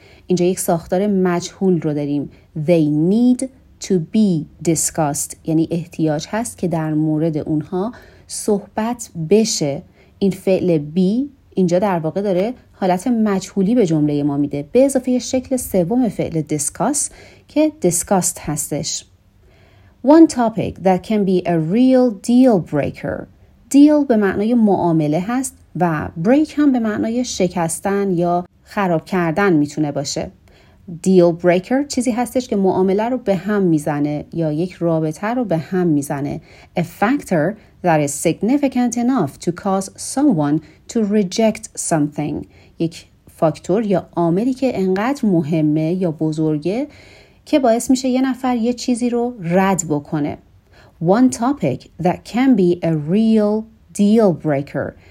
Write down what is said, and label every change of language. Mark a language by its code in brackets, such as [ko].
[fa] اینجا یک ساختار مجهول رو داریم. [en] They need to be discussed [fa] یعنی احتیاج هست که در مورد اونها صحبت بشه. این فعل be اینجا در واقع داره حالت مجهولی به جمله ما میده، به اضافه شکل سوم فعل discuss که discussed هستش. [en] One topic that can be a real deal breaker. [fa] Deal به معنای معامله هست و break هم به معنای شکستن یا خراب کردن میتونه باشه. Deal breaker چیزی هستش که معامله رو به هم میزنه یا یک رابطه رو به هم میزنه. [en] A factor that is significant enough to cause someone to reject something. [fa] یک فاکتور یا عاملی که انقدر مهمه یا بزرگه که باعث میشه یه نفر یه چیزی رو رد بکنه. [en] One topic that can be a real deal breaker.